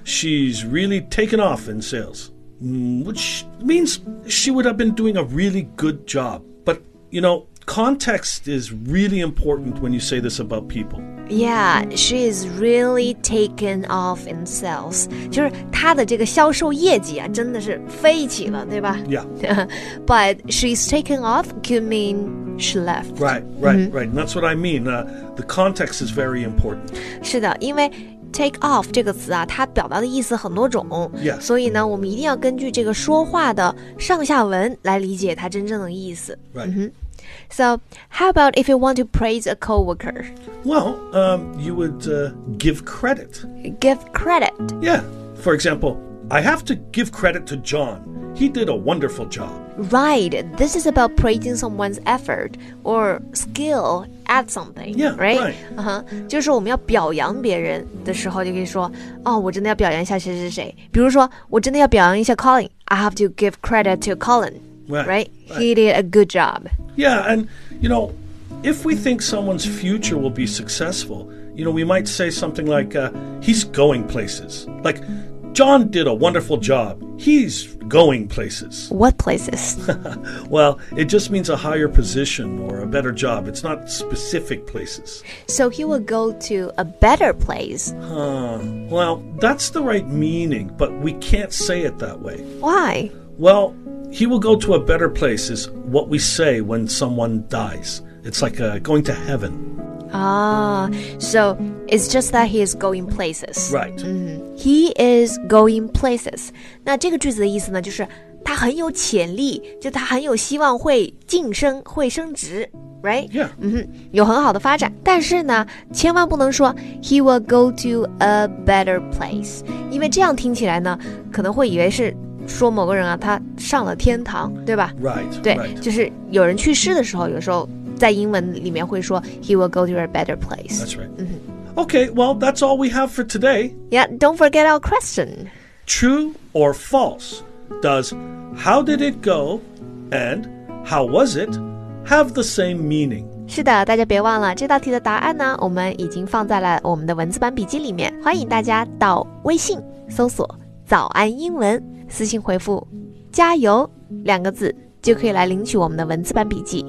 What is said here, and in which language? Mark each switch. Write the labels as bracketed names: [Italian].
[English] She's really taken off in sales, which means she would have been doing a really good job. But, you know, context is really important when you say this about people. Yeah, she is really taken off in sales. [Chinese] 就是她的这个销售业绩啊真的是飞起了对吧 [English] Yeah. But she's taken off could mean... She left. Right, right,、mm-hmm. right. That's what I mean.、The context is very important. [Chinese] 是的因为 take off 这个词啊它表达的意思很多种。 [English] Yeah. [Chinese] 所以呢我们一定要根据这个说话的上下文来理解它真正的意思。 [English] Right.、 Mm-hmm. So, how about if you want to praise a coworker? Well,、you would、give credit. Give credit. Yeah. For example, I have to give credit to John. He did a wonderful job. Right, this is about praising someone's effort or skill at something, yeah, right? Right. Uh-huh. [Chinese] 就是我们要表扬别人的时候就可以说、oh, 我真的要表扬一下谁谁谁。比如说我真的要表扬一下 Colin, [English] I have to give credit to Colin, right? He did a good job. Yeah, and you know, if we think someone's future will be successful, you know, we might say something like,、he's going places. Like, John did a wonderful job, he's... Going places. What places? Well, it just means a higher position or a better job. It's not specific places. So he will go to a better place. Huh. Well, that's the right meaning, but we can't say it that way. Why? Well, he will go to a better place is what we say when someone dies. It's like going to heaven. Ah, so it's just that he is going places. Right.、 Mm-hmm. He is going places. [Chinese] 那这个句子的意思呢就是他很有潜力就他很有希望会晋升会升职 Right? [English] Yeah.、 [Chinese] Mm-hmm. 有很好的发展但是呢千万不能说 [English] He will go to a better place. [Chinese] 因为这样听起来呢可能会以为是说某个人啊他上了天堂对吧 [English] Right. [Chinese] 对 [English] right. [Chinese] 就是有人去世的时候有时候在英文里面会说 [English] He will go to a better place That's right、mm-hmm. Okay, well, that's all we have for today Yeah, don't forget our question True or false Does how did it go And how was it Have the same meaning [Chinese] 是的大家别忘了这道题的答案呢我们已经放在了我们的文字版笔记里面欢迎大家到微信搜索早安英文私信回复加油两个字就可以来领取我们的文字版笔记。